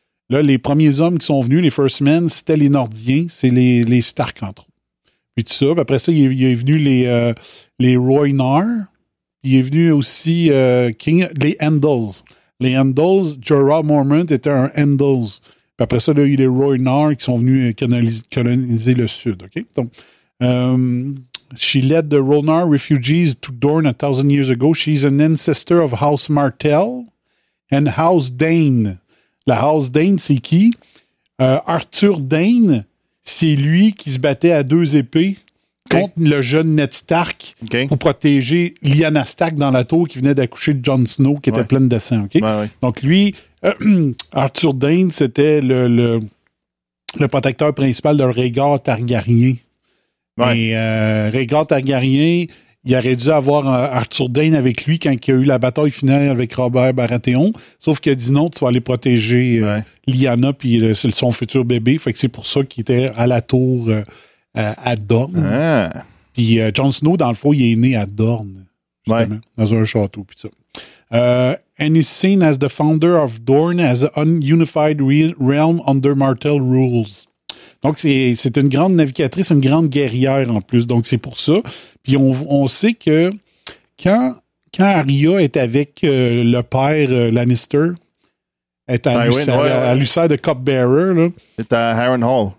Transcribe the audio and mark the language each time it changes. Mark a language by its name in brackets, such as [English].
[French] Là, les premiers hommes qui sont venus, les First Men, c'était les Nordiens, c'est les Stark, entre autres. Puis tout ça, puis après ça, il est venu les Rhoynar, puis il est venu aussi King, les Andals. Les Andals, Jorah Mormont était un Andals. Puis après ça, là, il y a eu les Rhoynar qui sont venus coloniser le sud, OK? [English] Donc, she led the Rhoynar refugees to Dorne 1,000 years ago. She's an ancestor of House Martell and House Dane. [French] La House Dane, c'est qui? Arthur Dane, c'est lui qui se battait à deux épées contre le jeune Ned Stark pour protéger Lyanna Stark dans la tour qui venait d'accoucher de Jon Snow qui était pleine de sang. Okay? Ouais. Donc lui, Arthur Dane, c'était le protecteur principal de Rhaegar Targaryen. Ouais. Et Rhaegar Targaryen, il aurait dû avoir Arthur Dane avec lui quand il a eu la bataille finale avec Robert Baratheon. Sauf qu'il a dit non, tu vas aller protéger Lyanna puis son futur bébé. Fait que c'est pour ça qu'il était à la tour à Dorne. Ah. Puis Jon Snow, dans le fond, il est né à Dorne. Ouais. Dans un château, puis ça. [English] And is seen as the founder of Dorne as an unified realm under Martell rules. [French] Donc, c'est une grande navigatrice, une grande guerrière en plus. Donc, c'est pour ça. Puis, on sait que quand Arya est avec le père Lannister, elle lui sert de cupbearer. Là. C'est à Harrenhal.